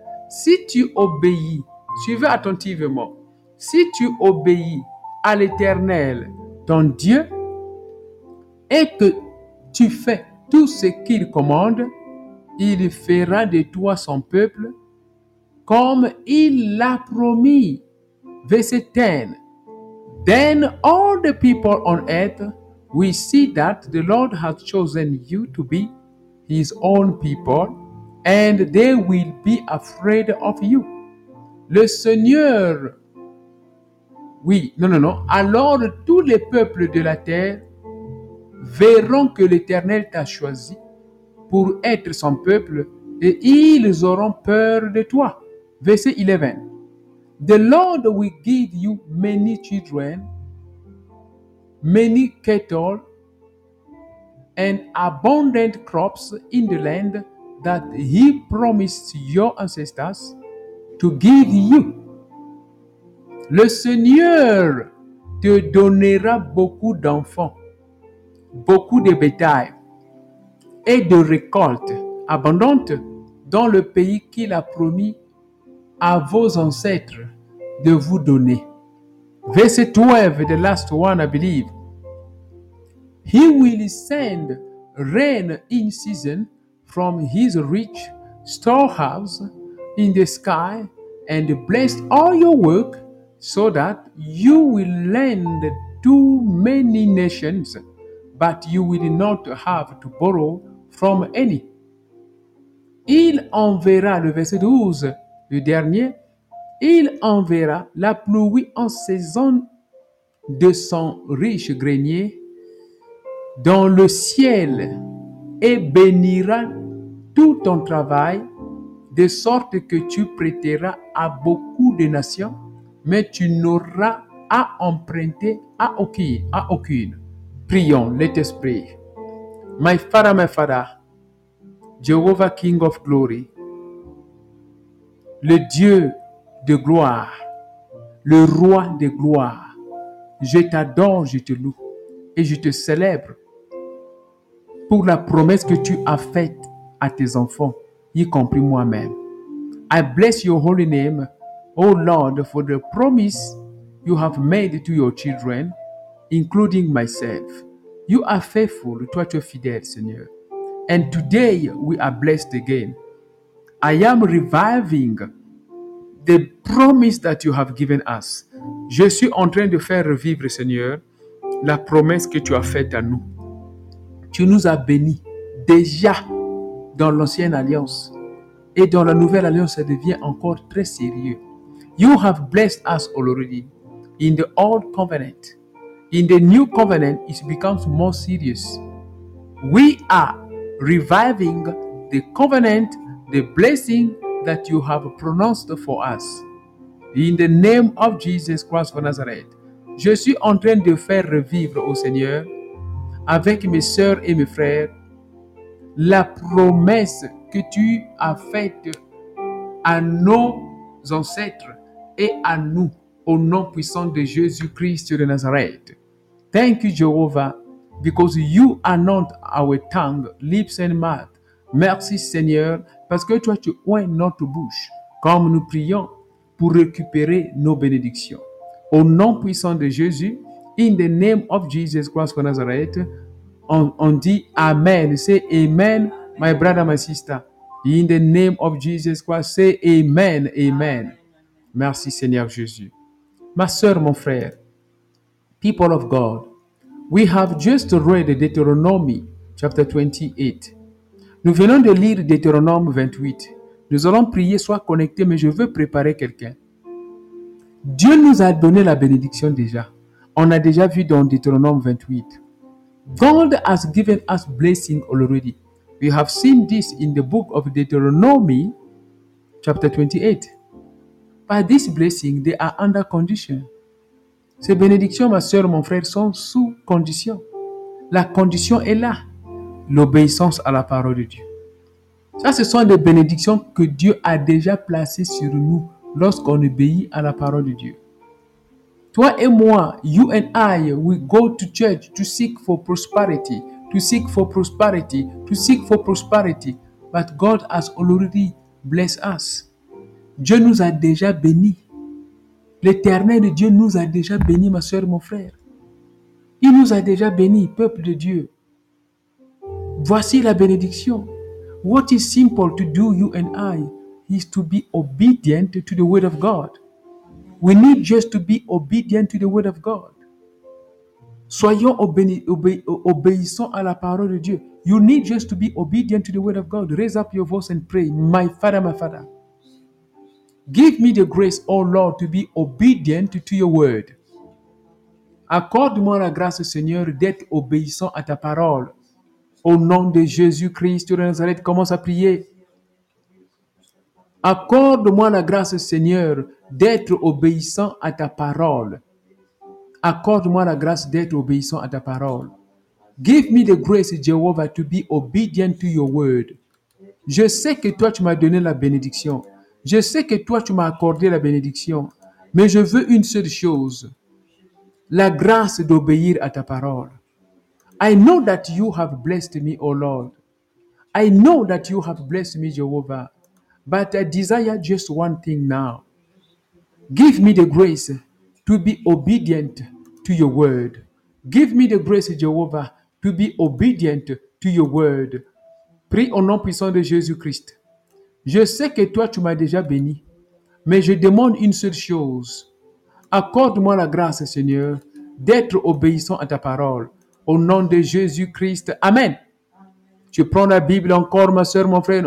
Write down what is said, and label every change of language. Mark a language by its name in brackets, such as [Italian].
[French] Si tu obéis, suivez attentivement, si tu obéis à l'Éternel, ton Dieu, et que tu fais tout ce qu'il commande, il fera de toi son peuple, comme il l'a promis. Verset 10. [English] Then all the people on earth will see that the Lord has chosen you to be his own people, and they will be afraid of you. [French] Le Seigneur, alors tous les peuples de la terre verront que l'Éternel t'a choisi pour être son peuple et ils auront peur de toi. Verset 11. [English] The Lord will give you many children, many cattle, and abundant crops in the land that he promised your ancestors to give you. [French] Le Seigneur te donnera beaucoup d'enfants, beaucoup de bétail et de récoltes abondantes dans le pays qu'il a promis à vos ancêtres de vous donner. Verset 12, [English] the last one, I believe. He will send rain in season from his rich storehouse in the sky and bless all your work so that you will lend to many nations, but you will not have to borrow from any. [French] Il enverra, le verset 12, le dernier, il enverra la pluie en saison de son riche grenier dans le ciel et bénira tout ton travail, de sorte que tu prêteras à beaucoup de nations, mais tu n'auras à emprunter à aucune. Prions, l'Esprit. [English] my Father, Jehovah King of Glory, [French] le Dieu de gloire, le Roi de gloire, je t'adore, je te loue et je te célèbre pour la promesse que tu as faite à tes enfants, y compris moi-même. [English] I bless your holy name, O Lord, for the promise you have made to your children, including myself. You are faithful, [French] toi tu es fidèle, Seigneur. [English] And today we are blessed again. I am reviving the promise that you have given us. [French] Je suis en train de faire revivre, Seigneur, la promesse que tu as faite à nous. Tu nous as bénis déjà dans l'ancienne alliance. Et dans la nouvelle alliance, ça devient encore très sérieux. [English] You have blessed us already in the old covenant. In the new covenant, it becomes more serious. We are reviving the covenant, the blessing that you have pronounced for us. In the name of Jesus Christ of Nazareth, [French] je suis en train de faire revivre au Seigneur, avec mes sœurs et mes frères, la promesse que tu as faite à nos ancêtres et à nous, au nom puissant de Jésus-Christ de Nazareth. [English] Thank you, Jehovah, because you anoint our tongue, lips and mouth. [French] Merci, Seigneur, parce que toi, tu oins notre bouche, comme nous prions pour récupérer nos bénédictions. Au nom puissant de Jésus, [English] in the name of Jesus Christ of Nazareth, [French] on dit Amen. [English] Say Amen, my brother, my sister. In the name of Jesus Christ, say Amen, Amen. [French] Merci, Seigneur Jésus. Ma sœur, mon frère, [English] people of God, we have just read Deuteronomy chapter 28. [French] Nous venons de lire Deutéronome 28. Nous allons prier, sois connecté, mais je veux préparer quelqu'un. Dieu nous a donné la bénédiction déjà. On a déjà vu dans Deutéronome 28. [English] God has given us blessing already. We have seen this in the book of Deuteronomy, chapter 28. By this blessing, they are under condition. [French] Ces bénédictions, ma soeur, mon frère, sont sous condition. La condition est là. L'obéissance à la parole de Dieu. Ça, ce sont des bénédictions que Dieu a déjà placées sur nous lorsqu'on obéit à la parole de Dieu. Toi et moi, [English] you and I, we go to church to seek for prosperity, to seek for prosperity, to seek for prosperity. But God has already blessed us. [French] Dieu nous a déjà bénis. L'Éternel de Dieu nous a déjà bénis, ma soeur, mon frère. Il nous a déjà bénis, peuple de Dieu. Voici la bénédiction. [English] What is simple to do, you and I, is to be obedient to the word of God. We need just to be obedient to the word of God. [French] Soyons obéissants à la parole de Dieu. [English] You need just to be obedient to the word of God. Raise up your voice and pray, my Father, give me the grace, O Lord, to be obedient to your word. [French] Accorde-moi la grâce, Seigneur, d'être obéissant à ta parole. Au nom de Jésus-Christ de Nazareth, commence à prier. Accorde-moi la grâce, Seigneur, d'être obéissant à ta parole. Accorde-moi la grâce d'être obéissant à ta parole. [English] Give me the grace, Jehovah, to be obedient to your word. [French] Je sais que toi, tu m'as donné la bénédiction. Je sais que toi, tu m'as accordé la bénédiction. Mais je veux une seule chose. La grâce d'obéir à ta parole. [English] I know that you have blessed me, O Lord. I know that you have blessed me, Jehovah. But I desire just one thing now. Give me the grace to be obedient to your word. Give me the grace, Jehovah, to be obedient to your word. [French] Prie au nom puissant de Jésus-Christ. Je sais que toi, tu m'as déjà béni. Mais je demande une seule chose. Accorde-moi la grâce, Seigneur, d'être obéissant à ta parole. Au nom de Jésus-Christ. Amen. Tu prends la Bible encore, ma soeur, mon frère.